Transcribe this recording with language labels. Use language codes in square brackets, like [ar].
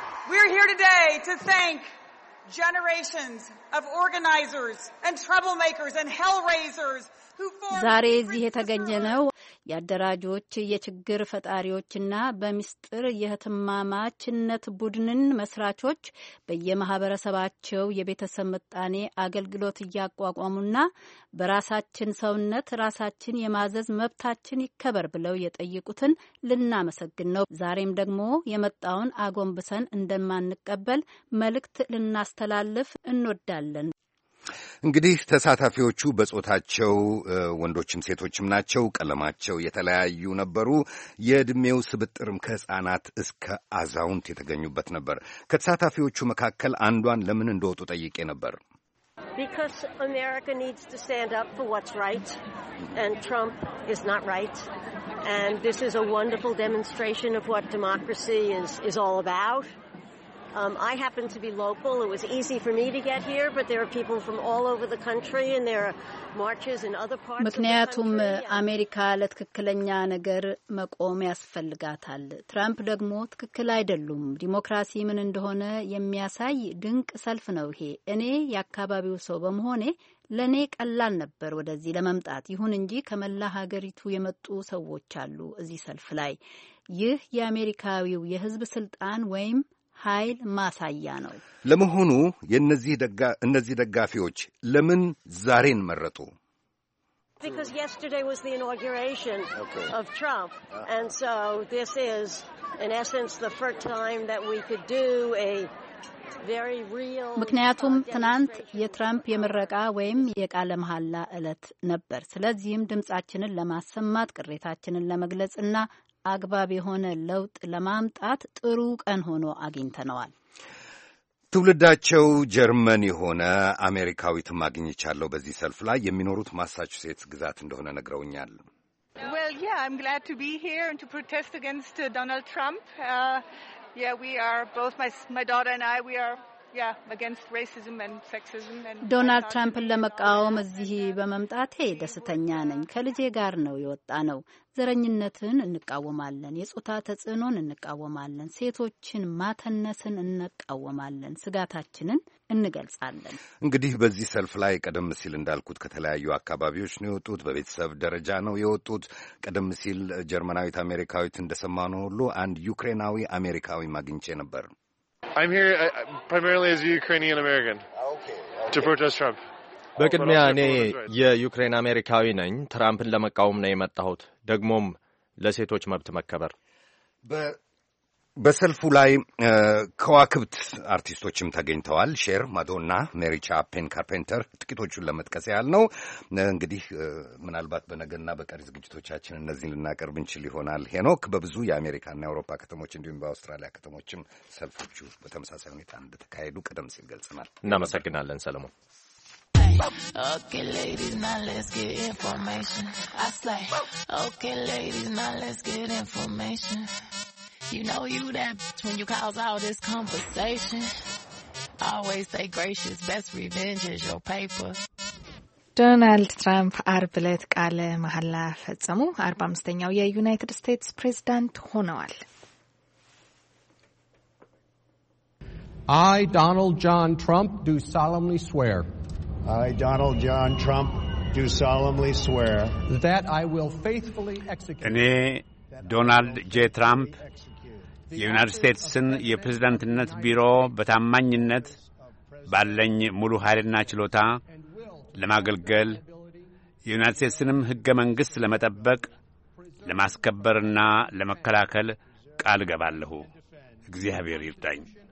[en] We're here today to thank generations of organizers and troublemakers and hellraisers who formed [am] ዛሬ እዚህ የተገኘነው ያደራጆች የችግር ፈጣሪዎችና በሚስጥር የህትማማችነት ቡድንን መስራቾች በየማህበረሰባቸው የቤተሰብ ምጣኔ አገልግሎት እያቋቋሙና በራሳችን ሰውነት ራሳችን የማዘዝ መብታችን ይከበር ብለው የጠየቁትን ልናመሰግን ነው። ዛሬም ደግሞ የመጣውን አጎንብሰን እንደማንቀበል መልእክት ልናስተላልፍ እንወዳለን። እንግዲህ ተሳታፊዎቹ በጾታቸው ወንዶችም ሴቶችም ናቸው። ቀለማቸው የተለያዩ ነበሩ። የእድሜው ስብጥርም ከሕፃናት እስከ አዛውንት የተገኙበት ነበር። ከተሳታፊዎቹ መካከል አንዷን ለምን እንደወጡ ጠይቄ ነበር። [en] Because America needs to stand up for what's right, and Trump is not right. And this is a wonderful demonstration of what democracy is all about. I happen to be local. It was easy for me to get here, but there are people from all over the country and there are marches in other parts of the country. [am] ምክንያቱም አሜሪካ ለትክክለኛ ነገር መቆም ያስፈልጋታል። ትራምፕ ደግሞ ትክክል አይደሉም። ዲሞክራሲ ምን እንደሆነ የሚያሳይ ድንቅ ሰልፍ ነው ይሄ። እኔ ያካባቢው ሰው በመሆኔ ለኔ ቀላል ነበር ወደዚህ ለመምጣት። ይሁን እንጂ ከመላ ሀገሪቱ የመጡ ሰዎች አሉ እዚህ ሰልፍ ላይ። ይህ የአሜሪካዊው የህዝብ ስልጣን ወይም ኃይል ማሳያ ነው። ለመሆኑ እነዚህ ደጋፊዎች ለምን ዛሬን መረጡ? [en] Because yesterday was the inauguration of Trump. And so this is in essence the first time that we could do a very real [am] ምክንያቱም ትናንት የትራምፕ የመረቃ ወይም የቃለ መሐላ ዕለት ነበር። ስለዚህም ድምጻችንን ለማሰማት ቅሬታችንን ለመግለጽና አግባብ የሆነ ለውጥ ለማምጣት ጥሩ ቀን ሆኖ አግኝተናል። ትውልዳቸው ጀርመን የሆነ አሜሪካዊት ማግኝቻለሁ በዚህ ሰልፍ ላይ የሚኖሩት ማሳቹሴትስ ግዛት እንደሆነ ነግረውኛል። [en] Well yeah, I'm glad to be here and to protest against Donald Trump. Yeah, we are both my daughter and I, we are against racism and sexism and [am] Donald Trump ለመቃወም እዚህ በመምጣቴ ደስተኛ ነኝ። ከልጄ ጋር ነው የወጣ ነው። ዘረኝነትን እንቃወማለን። የጾታ ተጽዕኖን እንቃወማለን። ሴቶችን ማተነስን እንቃወማለን። ስጋታችንን እንገልጻለን። እንግዲህ በዚህ ሰልፍ ላይ ቀደም ሲል እንዳልኩት ከተለያዩ አካባቢዎች ነው የወጡት። በቤተሰብ ደረጃ ነው የወጡት። ቀደም ሲል ጀርመናዊት አሜሪካዊት እንደሰማነው ሁሉ አንድ ዩክሬናዊ አሜሪካዊ ማግኝቼ ነበር። [en] I'm here primarily as a Ukrainian American. Okay. To protest Trump. [am] በቅድሚያ እኔ የዩክሬን አሜሪካዊ ነኝ። ትራምፕን ለመቃወም ነው የመጣሁት። ደግሞም ለሴቶች መብት መከበር። በሰልፉ ላይ ከዋክብት አርቲስቶችም ተገኝተዋል። ሼር፣ ማዶና፣ ሜሪ ቻፕን፣ ካርፔንተር ጥቂቶቹን ለመጥቀስ ያህል ነው። እንግዲህ ምናልባት በነገና በቀሪ ዝግጅቶቻችን እነዚህን ልናቀርብ እንችል ይሆናል። ሄኖክ፣ በብዙ የአሜሪካና የአውሮፓ ከተሞች እንዲሁም በአውስትራሊያ ከተሞችም ሰልፎቹ በተመሳሳይ ሁኔታ እንደተካሄዱ ቀደም ሲል ገልጸናል። እናመሰግናለን ሰለሞን። [en] Okay ladies, now let's get information. I say, okay ladies, now let's get information. You know you that bitch when you cause all this conversation. Always say gracious, best revenge is your paper. [am] ዶናልድ ትራምፕ አርብ ዕለት ቃለ መሐላ ፈጸሙ። 45ኛው የዩናይትድ ስቴትስ ፕሬዝዳንት ሆነዋል። [en] I, Donald John Trump, do solemnly swear. I, Donald John Trump, do solemnly swear that I will faithfully execute. [am] እኔ ዶናልድ ጄ ትራምፕ የዩናይትድ ስቴትስን የፕሬዝዳንትነት ቢሮ በታማኝነት ባለኝ ሙሉ ኃይልና ችሎታ ለማገልገል የዩናይትድ ስቴትስንም ሕገ መንግሥት ለመጠበቅ ለማስከበርና ለመከላከል ቃል ገባለሁ። እግዚአብሔር ይርዳኝ።